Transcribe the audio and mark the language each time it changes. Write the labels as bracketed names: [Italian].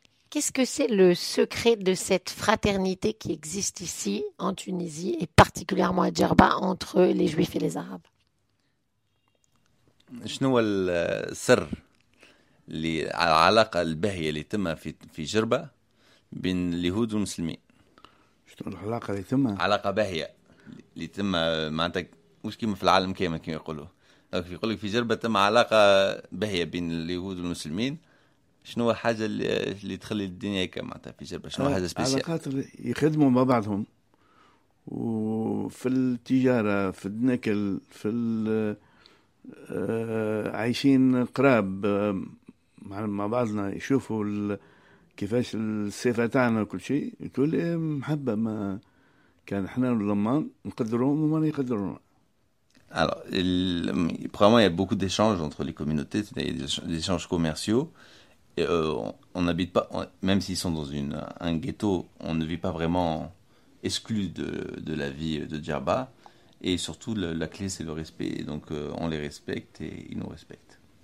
[French] Qu'est-ce que c'est le secret de cette fraternité qui existe ici, en Tunisie, et particulièrement à Djerba, entre les Juifs et les Arabes ? [Arabic] شنو السر اللي على العلاقة الباهية اللي تم في جربة بين اليهود والمسلمين؟ شنو العلاقة اللي تم؟ علاقة باهية اللي تم معناتها مش كيما في العالم كيما يقولوا. دونك يقول لك في جربة تم علاقة باهية بين اليهود والمسلمين. شنو الحاجه اللي تخلي الدنيا هيك معناتها في جربة؟ شنو حاجه سبيسيال؟ علاقات يخدموا مع بعضهم وفي التجاره في الناكل في عايشين قراب مع بعضنا يشوفوا كيفاش الصفه تاعنا وكل شيء تقول محبه ما كان احنا والضمان نقدرهم وما يقدرونا. [French] Alors premièrement il y a beaucoup d'échanges entre les communautés, il y a des échanges commerciaux. Et on n'habite pas, même s'ils sont dans un ghetto, on ne vit pas vraiment exclu de la vie de Djerba. Et surtout, la clé, c'est le respect. Et donc, on les respecte et ils nous respectent.